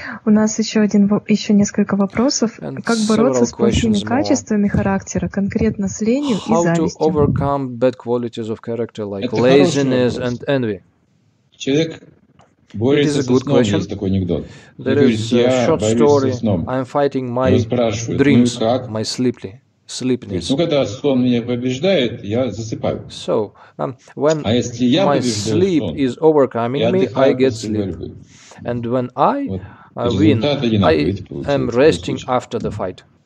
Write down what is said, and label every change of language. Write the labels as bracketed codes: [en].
[ru] У нас еще один, еще несколько вопросов. Как бороться с плохими качествами характера, конкретно с ленью и завистью? [en] How to overcome bad qualities of character like laziness and envy? [ru] Человек борется со сном, [en] question. [ru] Есть такой анекдот. [en] There is a short story. I'm fighting my dreams, my sleepiness. [ru] Ну, когда сон меня побеждает, я засыпаю. [en] So, when my sleep is overcoming me, I get sleep. And when I win, I am resting after the fight.